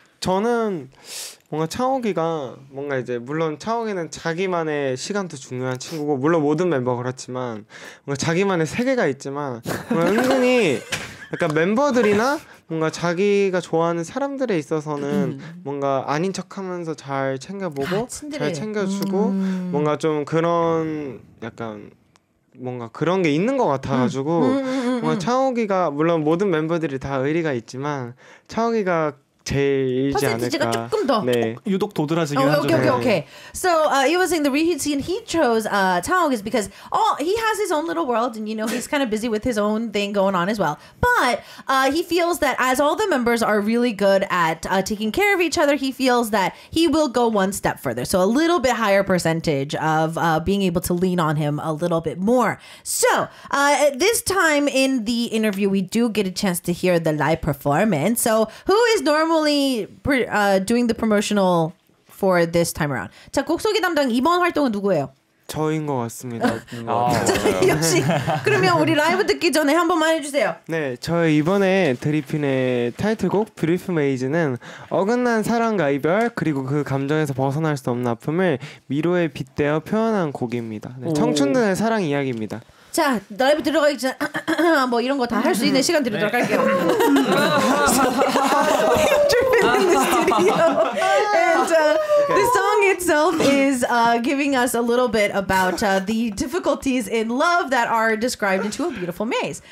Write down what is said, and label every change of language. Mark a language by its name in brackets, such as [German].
[Korean] 저는 뭔가 창욱이가 뭔가 이제 물론 창욱이는 자기만의 시간도 중요한 친구고 물론 모든 멤버 그렇지만 뭔가 자기만의 세계가 있지만 은근히 약간 멤버들이나 뭔가 자기가 좋아하는 사람들에 있어서는 뭔가 아닌 척하면서 잘 챙겨보고 잘 챙겨주고 뭔가 좀 그런 약간 뭔가 그런 게 있는 것 같아가지고 뭔가 창욱이가 물론 모든 멤버들이 다 의리가 있지만 창욱이가 제일이지 않을까. 조금 더 네. 유독 도드라지긴 하죠. 오케이. [English] So he was saying the reason he chose Taeyong is because oh he has his own little world and you know he's kind of busy with his own thing going on as well. But he feels that as all the members are really good at taking care of each other, he feels that he will go one step further. So a little bit higher percentage of being able to lean on him a little bit more. So at this time in the interview, we do get a chance to hear the live performance. So who is normally doing the promotional for this time around. [Korean] 자, 곡 소개 담당 이번 활동은 누구예요? 저인 것 같습니다. 아, 역시. 그러면 우리 라이브 듣기 전에 한 번만 해주세요. 네, 저희 이번에 드리핀의 타이틀곡 Brief Maze는 어긋난 사랑과 이별 그리고 그 감정에서 벗어날 수 없는 아픔을 미로에 빗대어 표현한 곡입니다. 네, 청춘들의 사랑 이야기입니다. 자, 라이브 들어가기 전 뭐 이런 거 다 할 수 있는 시간 드리도록 할게요. [English] We have Driven in the studio. And the song itself is giving us a little bit about the difficulties in love that are described into a beautiful maze.